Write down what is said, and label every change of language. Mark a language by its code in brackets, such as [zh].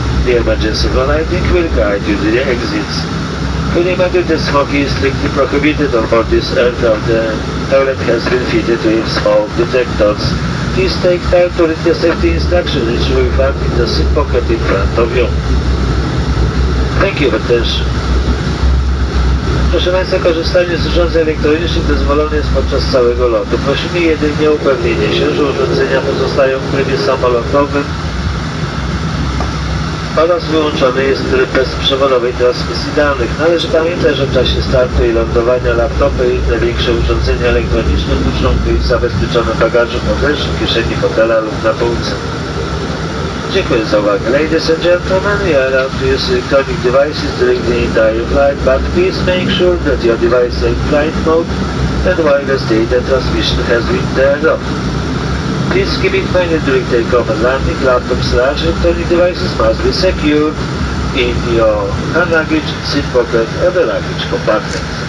[en] The emergency lighting will guide you to the exits. Please note that smoking is strictly prohibited on board this aircraft. The toilet has been fitted with smoke detectors. Please take time to read the safety instructions which you will find in the seat pocket in front of you. Thank you for attention. [pl] Proszę Państwa, korzystanie z urządzeń elektronicznych dozwolone jest podczas całego lotu. Prosimy jedynie o upewnienie się, że urządzenia pozostają w trybie samolotowym oraz wyłączony jest tryb bezprzewodowej transmisji danych. Należy pamiętać, że w czasie startu i lądowania laptopy i największe urządzenia elektroniczne muszą być zabezpieczone w bagażu podwyższym, kieszeni fotela lub na półce. Dziękuję za uwagę. [en] Ladies and gentlemen, we are allowed to use electronic devices during the entire flight, but please make sure that your device is in flight mode and wireless data transmission has been turned off. Please keep in mind that during takeoff and landing, laptops and electronic devices must be secured in your hand luggage, seat pocket and the luggage compartment.